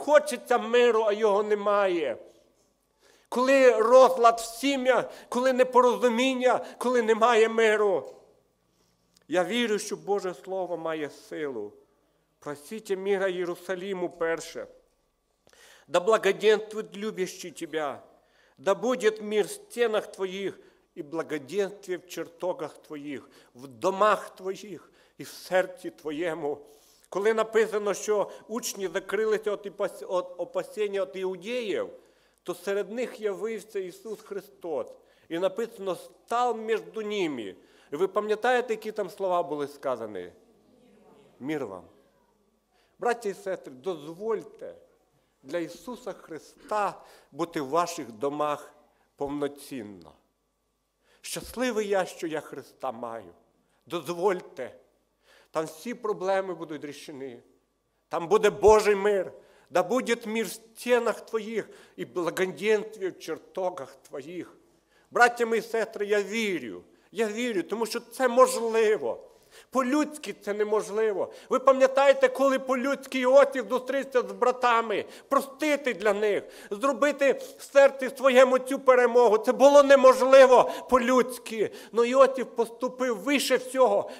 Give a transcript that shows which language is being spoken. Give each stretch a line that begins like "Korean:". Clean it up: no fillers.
Ukrainian: Хочеться миру, а його немає. Коли розлад в сім'ях, коли непорозуміння, коли немає миру. Я вірю, що Боже Слово має силу. Просіть мира Єрусалиму перше.
Russian: Да благоденствует любящий тебя. Да будет мир в стенах твоих и благоденствие в чертогах твоих, в домах твоих и
Ukrainian: в серці твоєму. Коли написано, що учні закрилися від опасіння від іудеїв, то серед них явився Ісус Христос. І написано «Стал між ними». І ви пам'ятаєте, які там слова були сказані? Мир вам. Браття і сестри, дозвольте для Ісуса Христа бути в ваших домах повноцінно. Щасливий я, що я Христа маю. Дозвольте. Там всі проблеми будуть рішені. Там буде Божий мир.
Russian: Да будет мир в стенах твоих и благоденствие в чертогах твоих.
Ukrainian: Браття мої сестри, я вірю, тому що це можливо. По-людськи це неможливо. Ви пам'ятаєте, коли по-людськи Іосиф зустрівся з братами, простити для них, зробити в серці своєму цю перемогу. Це було неможливо по-людськи. Но Іосиф поступив вище всього.